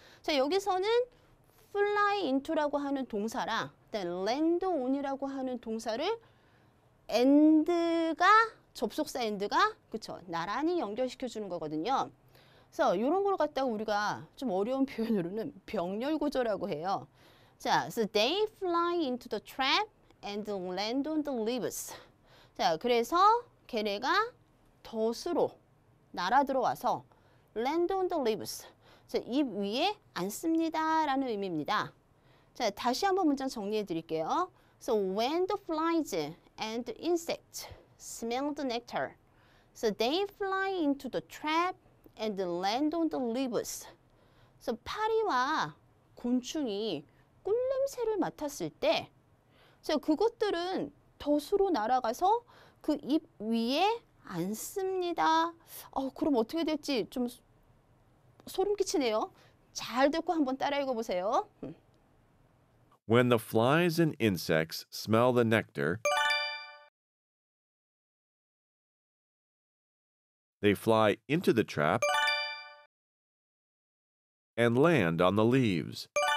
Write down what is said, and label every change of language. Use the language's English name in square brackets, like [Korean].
[Korean] 자, 여기서는 fly into라고 하는 동사랑 land on이라고 하는 동사를 and가 접속사 and가 그쵸? 나란히 연결시켜 주는 거거든요. 그래서 이런 걸 갖다가 우리가 좀 어려운 표현으로는 병렬구조라고 해요. [English] 자, so they fly into the trap and land on the leaves. [Korean] 자, 그래서 걔네가 덫으로 날아 들어와서 [English] land on the leaves. [Korean] 자, 잎 위에 앉습니다 라는 의미입니다. 자, 다시 한번 문장 정리해 드릴게요. [English] So when the flies and the insects smell the nectar, so they fly into the trap and land on the leaves. [Korean] So 파리와 곤충이 꿀 냄새를 맡았을 때 자, 그것들은 덫으로 날아가서 그 잎 위에 앉습니다. 그럼 어떻게 될지 좀 소름 끼치네요. 잘 듣고 한번 따라 읽어 보세요. [English] When the flies and insects smell the nectar, they fly into the trap and land on the leaves.